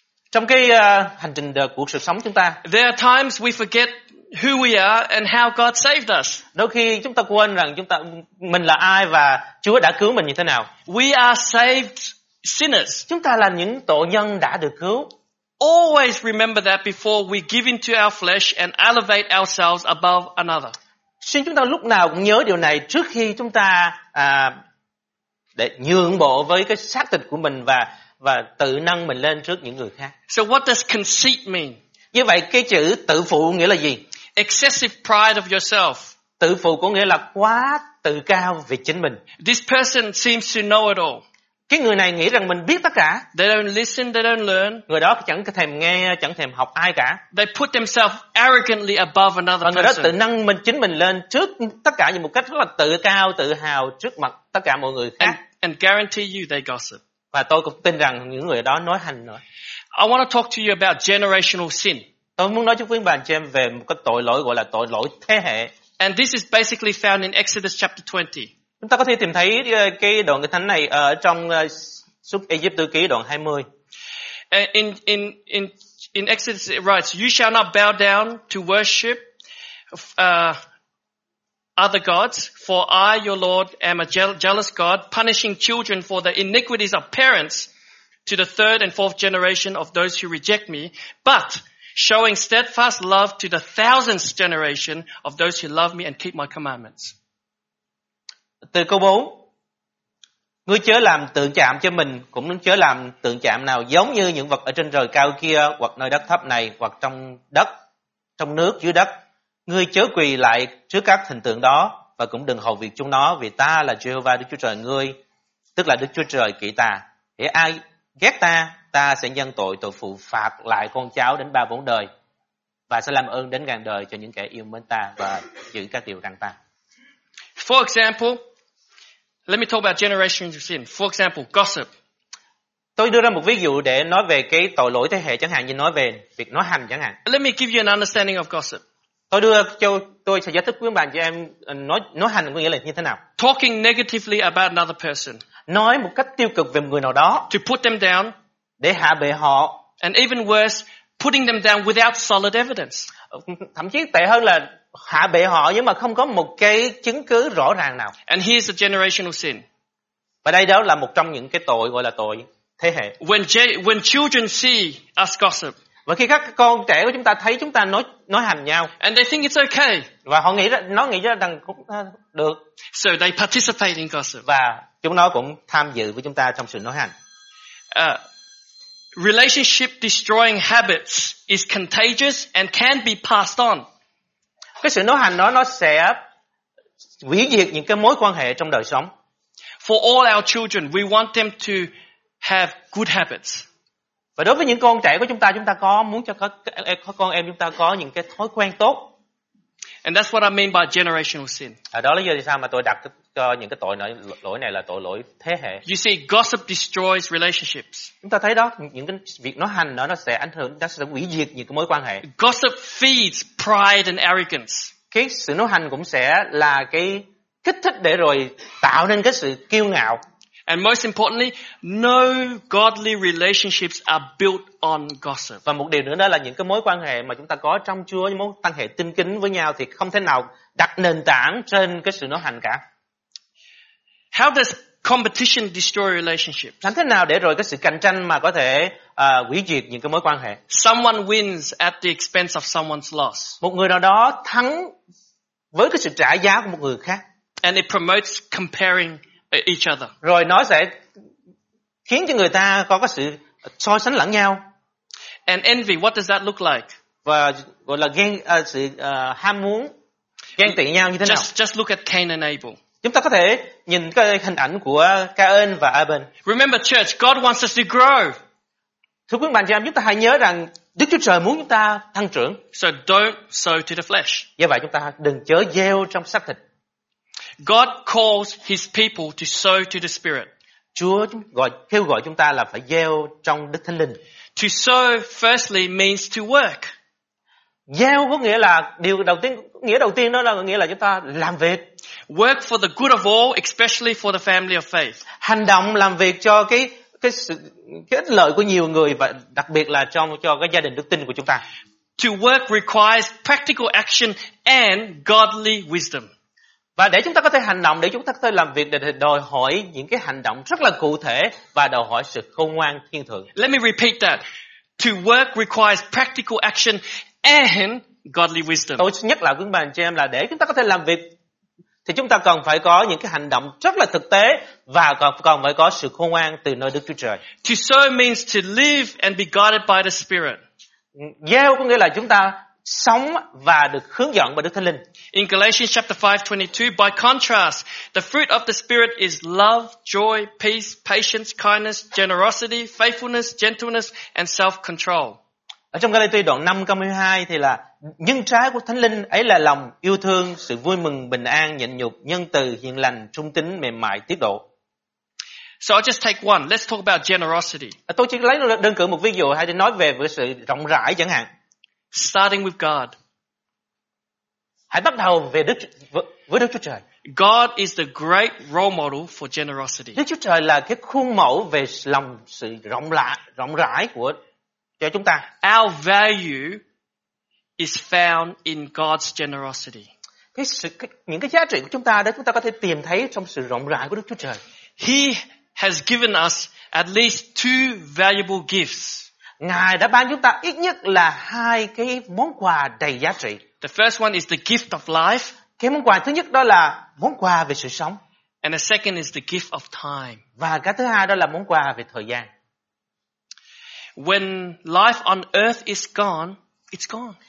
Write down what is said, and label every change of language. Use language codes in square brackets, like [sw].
[vi] trong cái hành trình của sự sống chúng ta, [en] there are times we forget who we are and how God saved us. [vi] Đôi khi chúng ta quên rằng mình là ai và Chúa đã cứu mình như thế nào. [en] We are saved sinners. [vi] Chúng ta là những tội nhân đã được cứu. [en] Always remember that before we give into our flesh and elevate ourselves above another. [vi] Xin chúng ta lúc nào cũng nhớ điều này trước khi chúng ta để nhượng bộ với cái xác thịt của mình và tự nâng mình lên trước những người khác. [en] So what does conceit mean? [vi] Như vậy cái chữ tự phụ nghĩa là gì? [en] Excessive pride of yourself. [vi] Tự phụ có nghĩa là quá tự cao về chính mình. [en] This person seems to know it all. [vi] Cái người này nghĩ rằng mình biết tất cả. [en] They don't listen, they don't learn. [vi] Người đó chẳng thèm nghe, chẳng thèm học ai cả. [en] They put themselves arrogantly above another person. [vi] Người đó tự nâng mình chính mình lên trước tất cả như một cách rất là tự cao, tự hào trước mặt tất cả mọi người khác. [en] And guarantee you they gossip. [vi] Và tôi cũng tin rằng những người đó nói hành nữa. [en] I want to talk to you about generational sin. [vi] Tôi muốn nói với quý bạn xem về một cái tội lỗi gọi là tội lỗi thế hệ. [en] And this is basically found in Exodus chapter 20. [vi] Chúng ta có thể tìm thấy cái đoạn kinh thánh này ở trong sách Ê-díp-tô ký đoạn 20. [en] In Exodus it writes, you shall not bow down to worship other gods, for I, your Lord, am a jealous God, punishing children for the iniquities of parents to the third and fourth generation of those who reject me, but showing steadfast love to the thousandth generation of those who love me and keep my commandments. [vi] Từ câu 4, ngươi chớ làm tượng chạm cho mình, cũng chớ làm tượng chạm nào giống như những vật ở trên trời cao kia, hoặc nơi đất thấp này, hoặc trong đất, trong nước, dưới đất. Ngươi chớ quỳ lại trước các hình tượng đó và cũng đừng hầu việc chúng nó, vì ta là Jehovah Đức Chúa Trời ngươi, tức là Đức Chúa Trời kỵ ta. Hễ ai ghét ta, ta sẽ dâng tội phụ phạt lại con cháu đến ba bốn đời và sẽ làm ơn đến ngàn đời cho những kẻ yêu mến ta và giữ các điều răn ta. [en] For example, let me talk about generation of sin. For example, gossip. [vi] Tôi đưa ra một ví dụ để nói về cái tội lỗi thế hệ, chẳng hạn như nói về việc nói hành chẳng hạn. [en] Let me give you an understanding of gossip. [vi] Tôi sẽ giải thích với bạn cho em nói hành có nghĩa là như thế nào. [en] Talking negatively about another person. [vi] Nói một cách tiêu cực về một người nào đó. [en] To put them down. [vi] Để hạ bệ họ. [en] And even worse, putting them down without solid evidence. [vi] Thậm chí tệ hơn là hạ bệ họ nhưng mà không có một cái chứng cứ rõ ràng nào. [en] And here's a generational sin. [vi] Và đây đó là một trong những cái tội gọi là tội thế hệ. [en] When children see us gossip. [vi] Và khi các con trẻ của chúng ta thấy chúng ta nói hàm nhau. [en] And they think it's okay. [vi] Và họ nghĩ nó nghĩ rằng cũng được. [en] So they participate in gossip. [vi] Và chúng nó cũng tham dự với chúng ta trong sự nói hàm. [en] Relationship destroying habits is contagious and can be passed on. [vi] Cái sự nói hàm đó nó sẽ hủy diệt những cái mối quan hệ trong đời sống. [en] For all our children, we want them to have good habits. [vi] Và đối với những con trẻ của chúng ta có muốn cho các con em chúng ta có những cái thói quen tốt. [en] And that's what I mean by generational sin. [vi] À, đó là lý do sao mà tôi đặt những cái tội lỗi này là tội lỗi thế hệ. [en] You see, gossip destroys relationships. [vi] Chúng ta thấy đó, những cái việc nói hành nó sẽ ảnh hưởng, nó sẽ hủy diệt những cái mối quan hệ. [en] Gossip feeds pride and arrogance. [vi] Cái sự nói hành cũng sẽ là cái kích thích để rồi tạo nên cái sự kiêu ngạo. [en] And most importantly, no godly relationships are built on gossip. [vi] Và một điều nữa đó là những cái mối quan hệ mà chúng ta có trong Chúa, những mối quan hệ tin kính với nhau thì không thể nào đặt nền tảng trên cái sự nói hành cả. [en] How does competition destroy relationships? [vi] Làm thế nào để rồi cái sự cạnh tranh mà có thể hủy diệt những cái mối quan hệ? [en] Someone wins at the expense of someone's loss. [vi] Một người nào đó thắng với cái sự trả giá của một người khác. [en] And it promotes comparing each other. [vi] Rồi nó sẽ khiến cho người ta có cái sự so sánh lẫn nhau. [en] And envy, what does that look like? [vi] Và gọi là ghen sự ham muốn ghen tị nhau như thế nào? [en] Just look at Cain and Abel. [vi] Chúng ta có thể nhìn cái hình ảnh của Cain và Abel. [en] Remember church, God wants us to grow. [vi] Thưa quý bạn chị em, chúng ta hãy nhớ rằng Đức Chúa Trời muốn chúng ta tăng trưởng. [en] So don't sow to the flesh. [vi] Do vậy chúng ta đừng chớ gieo trong xác thịt. [en] God calls his people to sow to the spirit. [vi] Chúa kêu gọi chúng ta là phải gieo trong Đức Thánh Linh. [en] To sow firstly means to work. [vi] Gieo có nghĩa là điều đầu tiên, nghĩa đầu tiên đó là nghĩa là chúng ta làm việc. [en] Work for the good of all, especially for the family of faith. [vi] Hành động làm việc cho cái ích lợi của nhiều người và đặc biệt là cho cái gia đình đức tin của chúng ta. [en] To work requires practical action and godly wisdom. [vi] Và để chúng ta có thể hành động, để chúng ta có thể làm việc thì đòi hỏi những cái hành động rất là cụ thể và đòi hỏi sự khôn ngoan thiên thượng. [en] Let me repeat that. To work requires practical action and godly wisdom. [vi] Tôi nhắc lại với bạn chị em là để chúng ta có thể làm việc thì chúng ta còn phải có những cái hành động rất là thực tế và còn phải có sự khôn ngoan từ nơi Đức Chúa Trời. [en] To sow means to live and be guided by the Spirit. [vi] Gieo có nghĩa là chúng ta sống và được hướng dẫn bởi Đức Thánh Linh. [en] In Galatians chapter 5:22, by contrast, the fruit of the Spirit is love, joy, peace, patience, kindness, generosity, faithfulness, gentleness and self-control. [vi] Ở trong Galatia đoạn 5 câu 22 thì là nhân trái của Thánh Linh ấy là lòng yêu thương, sự vui mừng, bình an, nhịn nhục, nhân từ, hiền lành, trung tín, mềm mại, tiết độ. [en] So I'll just take one. Let's talk about generosity. [vi] Tôi chỉ lấy đơn cử một ví dụ hay để nói về với sự rộng rãi chẳng hạn. [en] Starting with God. [vi] Hãy bắt đầu với Đức Chúa Trời. [en] God is the great role model for generosity. [vi] Đức Chúa Trời là cái khuôn mẫu về lòng sự rộng rãi của cho chúng ta. [en] Our value is found in God's generosity. [vi] Những cái giá trị của chúng ta đó chúng ta có thể tìm thấy trong sự rộng rãi của Đức Chúa Trời. [en] He has given us at least two valuable gifts. [vi] Ngài đã ban chúng ta ít nhất là hai cái món quà đầy giá trị. [en] The first one is the gift of life. [vi] Cái món quà thứ nhất đó là món quà về sự sống. [en] And the second is the gift of time. [vi] Và cái thứ hai đó là món quà về thời gian. [en] When life on earth is gone, it's gone.